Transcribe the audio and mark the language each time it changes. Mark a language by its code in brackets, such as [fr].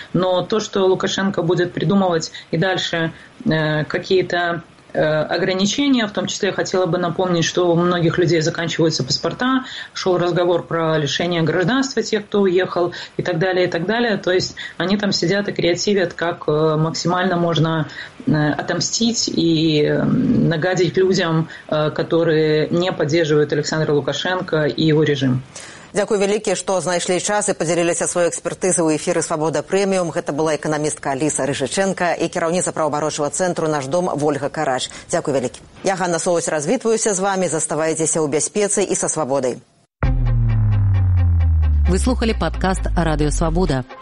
[ru] Но то, что Лукашенко будет придумывать и дальше какие-то ограничения, в том числе я хотела бы напомнить, что у многих людей заканчиваются паспорта, шел разговор про лишение гражданства тех, кто уехал и так далее, и так далее. То есть они там сидят и креативят, как максимально можно отомстить и нагадить людям, которые не поддерживают Александра Лукашенко и его режим. [be] Дякую вялікі, што знайшлі час і падзяліліся сваёй экспертызай у эфіры «Свабода прэміум». Гэта была эканамістка Аліса Рыжыченка і кіраўніца правабарочага цэнтру «Наш дом» Вольга Караш. Дякую вялікі. Я, Ганна Соус, развітваюся з вамі. Заставайцеся ў бяспецы і са свабодай. [ru] Вы слухали подкаст «Радио Свобода».